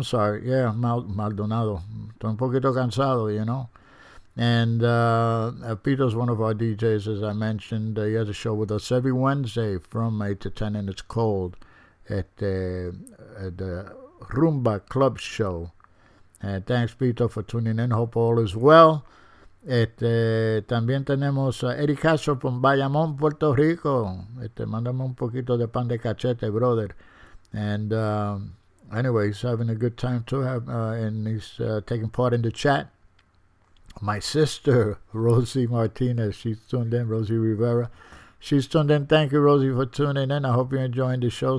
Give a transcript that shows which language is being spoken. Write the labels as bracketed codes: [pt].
[es] Estoy un poquito cansado, [en] you know. And Peter's one of our DJs, as I mentioned. He has a show with us every Wednesday from 8 to 10, and it's called at the Rumba Club Show. And thanks, Peter, for tuning in. Hope all is well. [es] También tenemos a Eric Castro from Bayamón, Puerto Rico. Mándame un poquito de pan de cachete, brother. [en] And anyway, he's having a good time, too, and he's taking part in the chat. My sister, Rosie Martinez, she's tuned in. Rosie Rivera, she's tuned in. Thank you, Rosie, for tuning in. I hope you're enjoying the show.